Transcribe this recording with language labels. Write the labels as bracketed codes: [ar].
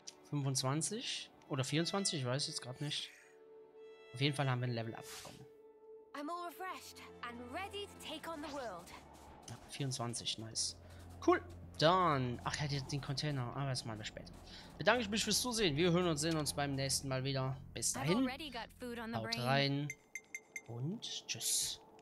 [de] 25 oder 24, ich weiß jetzt gerade nicht. Auf jeden Fall haben wir ein Level abgekommen. [en] I'm all refreshed and ready to take on the world. [de] Ja, 24, nice. Cool. Dann. Ach, er hat jetzt den Container. Aber das machen wir später. Bedanke ich mich fürs Zusehen. Wir hören und sehen uns beim nächsten Mal wieder. Bis dahin. Haut rein. Und tschüss.